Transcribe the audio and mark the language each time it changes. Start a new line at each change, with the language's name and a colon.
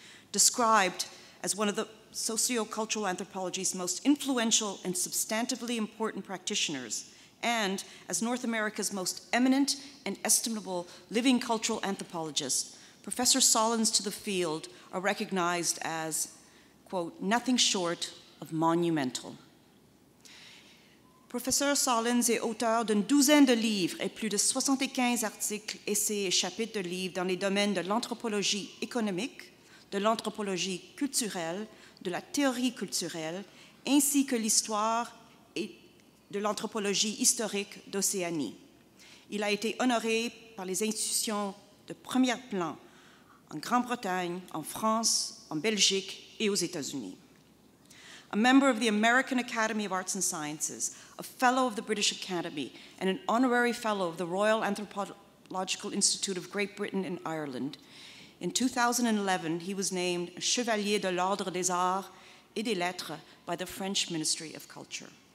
English: Described as one of the sociocultural anthropology's most influential and substantively important practitioners, and as North America's most eminent and estimable living cultural anthropologist, Professor Sahlins to the field are recognized as, quote, nothing short of monumental.
French: Professeur Sahlins est auteur d'une douzaine de livres et plus de 75 articles, essais et chapitres de livres dans les domaines de l'anthropologie économique, de l'anthropologie culturelle, de la théorie culturelle, ainsi que l'histoire et de l'anthropologie historique d'Océanie. Il a été honoré par les institutions de premier plan en Grande-Bretagne, en France, en Belgique et aux États-Unis.
English: A member of the American Academy of Arts and Sciences, a fellow of the British Academy, and an honorary fellow of the Royal Anthropological Institute of Great Britain and Ireland, in 2011, he was named Chevalier de l'Ordre des Arts et des Lettres by the French Ministry of Culture.